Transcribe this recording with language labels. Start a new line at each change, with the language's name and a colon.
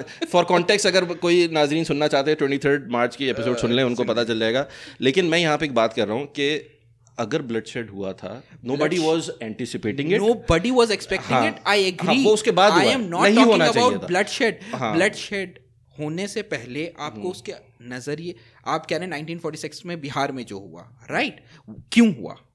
Urdu: for context اگر کوئی ناظرین سننا چاہتے ہیں 23 مارچ کی ایپیسوڈ سن لیں ان کو پتا چل جائے گا, لیکن میں یہاں پہ ایک بات کر رہا ہوں کہ اگر بلڈ شیڈ ہوا تھا
English: nobody was anticipating it, nobody was expecting it, I agree,
Urdu: اس کے بعد
English: I am not talking about bloodshed
Urdu: ہونے سے پہلے آپ کو اس کے نظریے, آپ کہہ رہے ہیں 1946 میں بہار میں جو ہوا, رائٹ, کیوں ہوا,